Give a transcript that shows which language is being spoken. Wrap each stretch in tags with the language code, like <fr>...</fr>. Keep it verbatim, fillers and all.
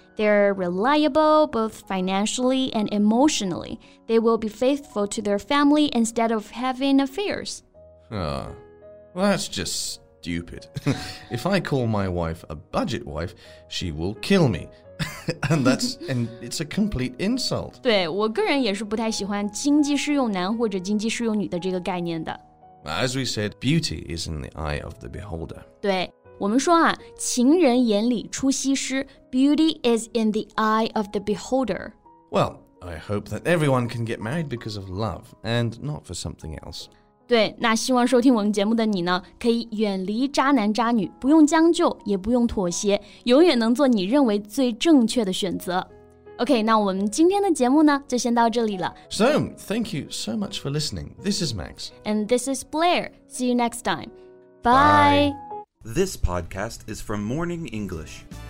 <en>They're reliable both financially and emotionally. They will be faithful to their family instead of having affairs. Oh, well, that's just stupid. If I call my wife a budget wife, she will kill me. and, that's, and it's a complete insult.</en> <zh>对，我个人也是不太喜欢经济适用男或者经济适用女的这个概念的。</zh> <en>As we said, beauty is in the eye of the beholder.</en> <zh>对。我们说啊，情人眼里出西施</zh> <en>Beauty is in the eye of the beholder. Well, I hope that everyone can get married because of love and not for something else.</en> <zh>对，那希望收听我们节目的你呢，可以远离渣男渣女，不用将就，也不用妥协，永远能做你认为最正确的选择。 OK, 那我们今天的节目呢，就先到这里了。</zh> <en>So, thank you so much for listening. This is Max. And this is Blair. See you next time. Bye. Bye. This podcast is from Morning English.</en>